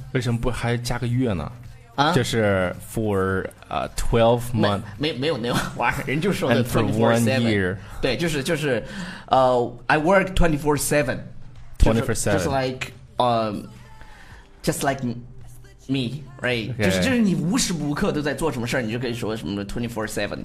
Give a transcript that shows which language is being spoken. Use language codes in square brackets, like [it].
[zh] 为什么不还加个月呢？啊，就是 [en] for 12 months， [zh] 没有那玩意儿，人就说的 24/7。对，就是 [en] I work 24/7 24/7 Just like me, right？ Okay。 [zh] 就是你无时不刻都在做什么事，你就可以说什么 24/7。